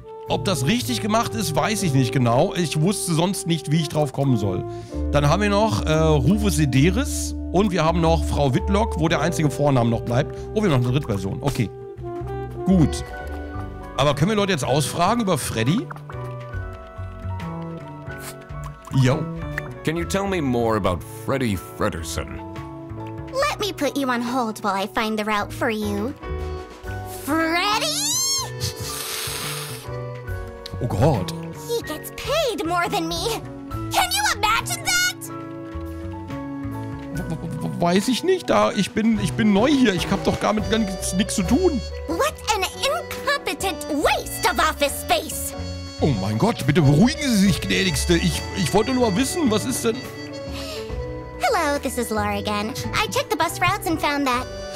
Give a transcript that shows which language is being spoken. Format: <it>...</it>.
<de>Ob das richtig gemacht ist, weiß ich nicht genau. Ich wusste sonst nicht, wie ich drauf kommen soll. Dann haben wir noch Rufus Sederis und wir haben noch Frau Whitlock, wo der einzige Vorname noch bleibt. Oh, wir haben noch eine dritte Person. Okay. Gut. Aber können wir Leute jetzt ausfragen über Freddy?</de> <en>Yo. Can you tell me more about Freddy Fredderson? Let me put you on hold while I find the route for you. Freddy?</en> <de>Oh Gott.</de> <en>He gets paid more than me. Can you imagine that?</en> <de>Weiß ich nicht, da ich bin neu hier. Ich hab doch damit gar nichts zu tun.</de> <en>What an incompetent waste of office space.</en> <de>Oh mein Gott, bitte beruhigen Sie sich, Gnädigste. Ich wollte nur mal wissen, was ist denn?</de> <en>Hello, this is Laura again. I checked the bus routes and found that.</en>